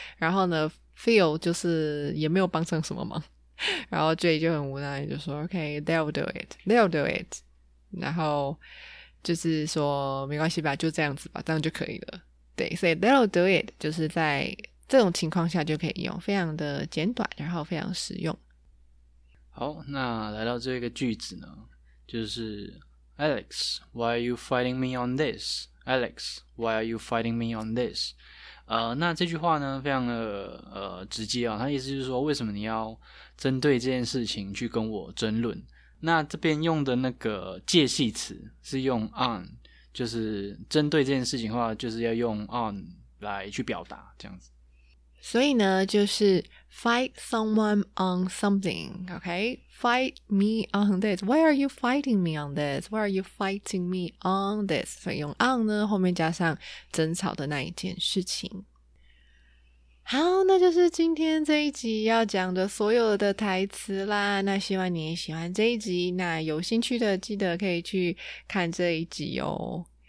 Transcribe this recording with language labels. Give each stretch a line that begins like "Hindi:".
Chinese: 然后呢 ，Phil 就是也没有帮上什么忙，然后 Jay 就很无奈，就说 ： “OK, they'll do it, they'll do it。” 然后就是说没关系吧，就这样子吧，这样就可以了。对，所以 they'll do it 就是在这种情况下就可以用，非常的简短，然后非常实用。好，那来到这个句子呢，就是 Alex, why are you fighting me on this?
English: Alex, why are you fighting me on this?
Chinese: 那这句话呢非常的直接啊，他意思就是说为什么你要针对这件事情去跟我争论。那这边用的那个介系词是用 on, 就是针对这件事情的话就是要用 on 来去表达这样子。
English: 所以呢就是 fight someone on something, okay? Fight me on this. Why are you fighting me on this? Why are you fighting me on this?
Chinese: 所以用 on 呢后面加上争吵的那一件事情。好，那就是今天这一集要讲的所有的台词啦。那希望你也喜欢这一集，那有兴趣的记得可以去看这一集哦。